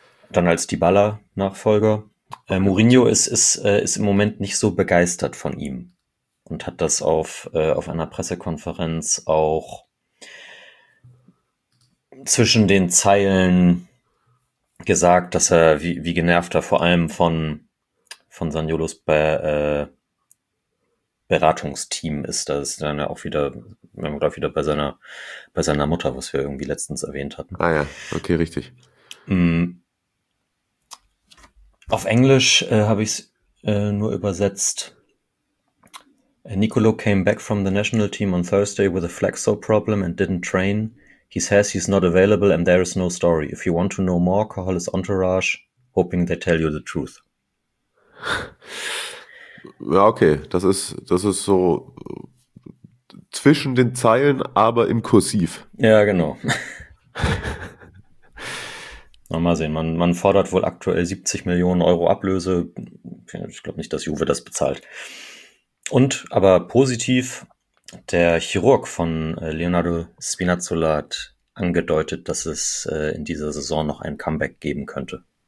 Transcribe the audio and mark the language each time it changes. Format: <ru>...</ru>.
<de>Dann als Dybala-Nachfolger. Mourinho ist im Moment nicht so begeistert von ihm und hat das auf einer Pressekonferenz auch zwischen den Zeilen gesagt, dass er wie genervt er vor allem von Zaniolos Beratungsteam ist. Das ist dann ja auch wieder, wir haben gerade wieder bei seiner Mutter, was wir irgendwie letztens erwähnt hatten. Ah ja, okay, richtig. Auf Englisch habe ich es nur übersetzt.</de> <en>Nicolo came back from the national team on Thursday with a flexor problem and didn't train. He says he's not available and there is no story. If you want to know more, call his entourage, hoping they tell you the truth.</en> <de>Ja, okay. Das ist so zwischen den Zeilen, aber im Kursiv. Ja, genau. Mal sehen, man fordert wohl aktuell 70 Millionen Euro Ablöse. Ich glaube nicht, dass Juve das bezahlt. Und, aber positiv, der Chirurg von Leonardo Spinazzola hat angedeutet, dass es in dieser Saison noch ein Comeback geben könnte.</de>